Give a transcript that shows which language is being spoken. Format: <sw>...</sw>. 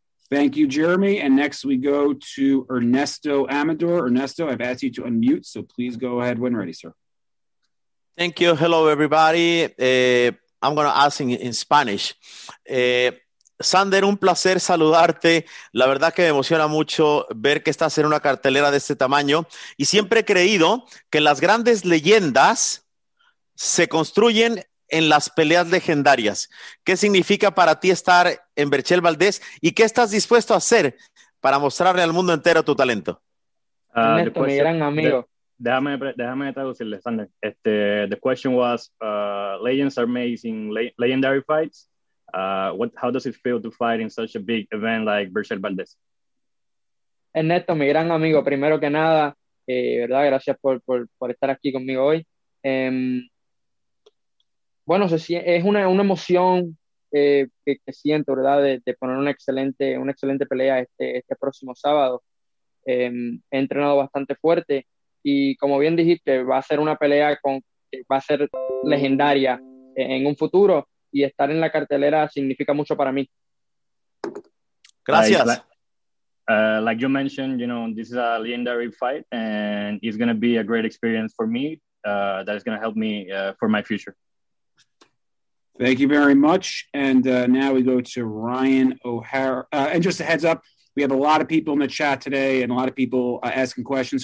<en>Thank you, Jeremy. And next we go to Ernesto Amador. Ernesto, I've asked you to unmute, so please go ahead when ready, sir. Thank you. Hello, everybody. I'm going to ask in Spanish.</en> <es>Xander, un placer saludarte. La verdad que me emociona mucho ver que estás en una cartelera de este tamaño. Y siempre he creído que las grandes leyendas se construyen en las peleas legendarias. ¿Qué significa para ti estar en Berchel Valdés? ¿Y qué estás dispuesto a hacer para mostrarle al mundo entero tu talento? Ernesto, mi gran amigo. Déjame traducirle, Xander.</es> <en>The question was, legends are amazing, legendary fights. How does it feel to fight in such a big event like Berchel Valdés?</en> <es>Ernesto, mi gran amigo, primero que nada, verdad, gracias por estar aquí conmigo hoy. Bueno, es una emoción que siento, ¿verdad?, de poner una excelente pelea este próximo sábado. He entrenado bastante fuerte y, como bien dijiste, va a ser una pelea que va a ser legendaria en un futuro, y estar en la cartelera significa mucho para mí. Gracias.</es> <en>Like you mentioned, you know, this is a legendary fight and it's going to be a great experience for me that is going to help me for my future. Thank you very much. And now we go to Ryan O'Hara. And just a heads up, we have a lot of people in the chat today and a lot of people asking questions.</en>